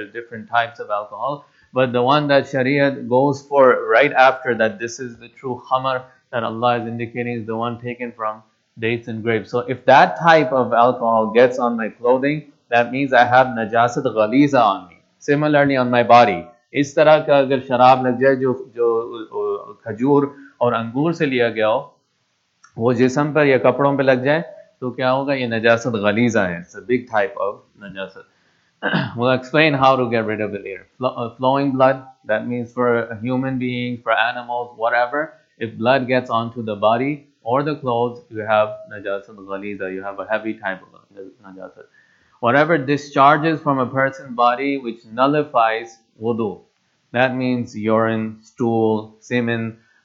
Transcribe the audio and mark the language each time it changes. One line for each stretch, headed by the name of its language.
English: There are different types of alcohol. But the one that Sharia goes for right after that, this is the true khamar that Allah is indicating, is the one taken from dates and grapes. So if that type of alcohol gets on my clothing, that means I have najasat ghaliza on me. Similarly on my body.
Urdu: اِس طرح کا اگر شراب لگ جائے جو کھجور اور انگور سے لیا گیا ہو، وو جسم پر یا کپڑوں پے لگ جائے، تو کیا ہوگا؟ یے نجاست غلیظہ ہے۔
English: It's a big type of najasat. We'll explain how to get rid of it later. Flowing blood, that means for a human being, for animals, whatever, if blood gets onto the body or the clothes, you have najasat ghaliza. You have a heavy type of najasat. Whatever discharges from a person's body which nullifies wudu, that means urine, stool, semen.